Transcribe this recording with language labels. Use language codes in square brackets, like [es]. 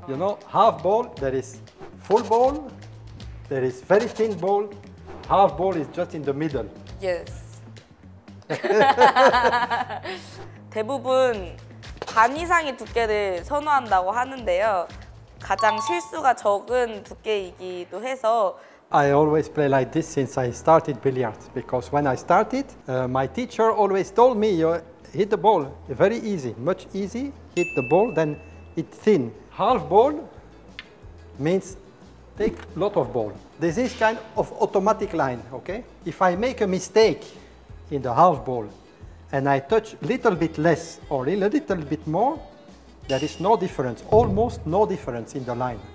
[en] You know, half ball, there is full ball, there is very thin ball, half ball is just in the middle. Yes. [ko] 대부분 반 이상의 두께를 선호한다고 하는데요. 가장 실수가 적은 두께이기도 해서 [en] I always play like this since I started billiards because when I started, my teacher always told me you hit the ball very easy, much easy, hit the ball then it thin. Half ball means take lot of ball. This is kind of automatic line, okay? If I make a mistake in the half ball and I touch little bit less or a little bit more, there is no difference, almost no difference in the line.